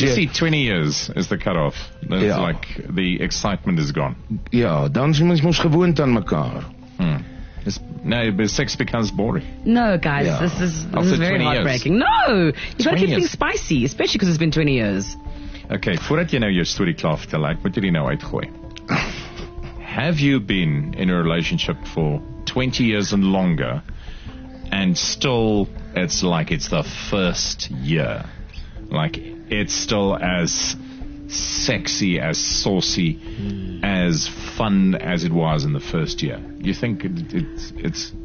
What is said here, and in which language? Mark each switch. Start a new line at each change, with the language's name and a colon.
English: you see, 20 years is the cut-off. It's ja. Like, the excitement is gone.
Afrikaans: Ja, dan is ons gewoond aan mekaar.
English: No, but sex becomes boring. No, guys, yeah. this is very heartbreaking. Years. No, you've got to keep things spicy, especially because it's been 20 years.
Afrikaans: Okay, voordat jy nou jou story klaar vertel, ek moet jy nou uitgooi.
English: Have you been in a relationship for 20 years and longer, and still it's like it's the first year? Like, it's still as sexy, as saucy, as fun as it was in the first year. You think it's